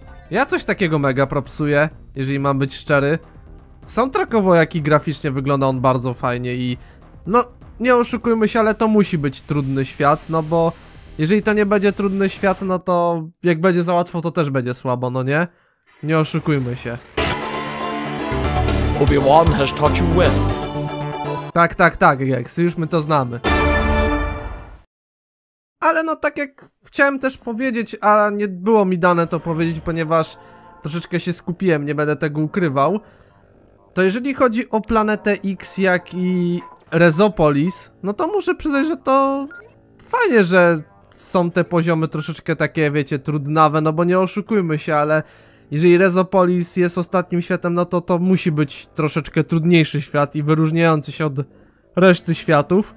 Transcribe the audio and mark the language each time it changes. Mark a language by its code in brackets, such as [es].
[pl] Ja coś takiego mega propsuję, jeżeli mam być szczery. Soundtrackowo, jak i graficznie wygląda on bardzo fajnie i no, nie oszukujmy się, ale to musi być trudny świat, no bo jeżeli to nie będzie trudny świat, no to jak będzie za łatwo, to też będzie słabo, no nie? Nie oszukujmy się. [en] Obi-Wan has taught you well. [pl] Tak, tak, tak, Gex, już my to znamy. Ale no, tak jak chciałem też powiedzieć, a nie było mi dane to powiedzieć, ponieważ troszeczkę się skupiłem, nie będę tego ukrywał, to jeżeli chodzi o Planetę X, jak i Rezopolis, no to muszę przyznać, że to fajnie, że są te poziomy troszeczkę takie, wiecie, trudnawe, no bo nie oszukujmy się, ale jeżeli Rezopolis jest ostatnim światem, no to musi być troszeczkę trudniejszy świat i wyróżniający się od reszty światów.